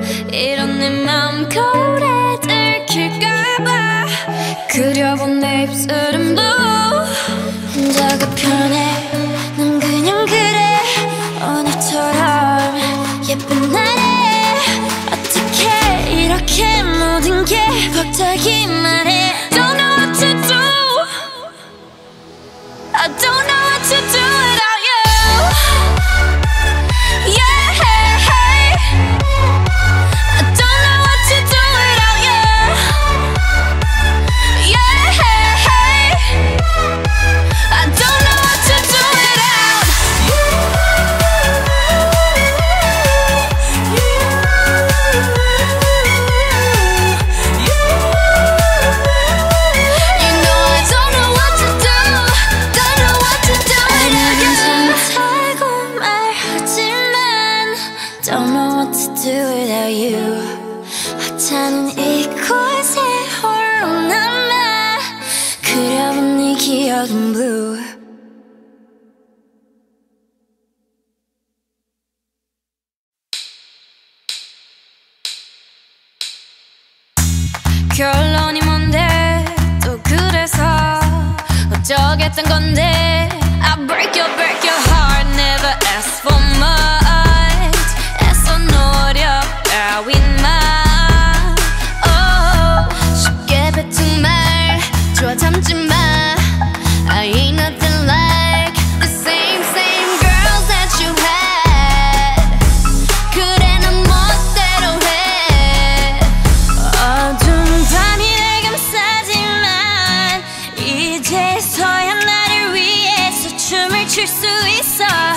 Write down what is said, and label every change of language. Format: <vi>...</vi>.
<ko>이런 내 맘 거울에 들킬까봐 그려본 내 입술은 blue. 혼자가 편해 난 그냥 그래. 오늘처럼 예쁜 날에 어떡해. 이렇게 모든 게 벅차기만 해.</ko> <en>Don't know what to do. I don't know what to do without you. Yeah, hey. I don't know what to do without you. Yeah, hey. I don't know what to do without you. You know I don't know what to do. Don't know what to do without you.</en> <ko>알고 말하지만</ko> <en>don't know what to do without you.</en> <ko>허차는 이곳에 홀로 남아 그려본 네 기억은 blue. 결론이 뭔데 또 그래서 어쩌겠단 건데.</ko> <en>I break your heart. Never ask for much.</en> <ko>애써 노력해</ko> <en>with my oh.</en> <ko>쉽게 뱉은 말 좋아 참지 마.</ko> <en>I ain't nothing like the same same girls that you had.</en> <ko>그래 난 멋대로 해. 어두운 밤이 날 감싸지만 이제서야 나를 위해서 춤을 출 수 있어.</ko>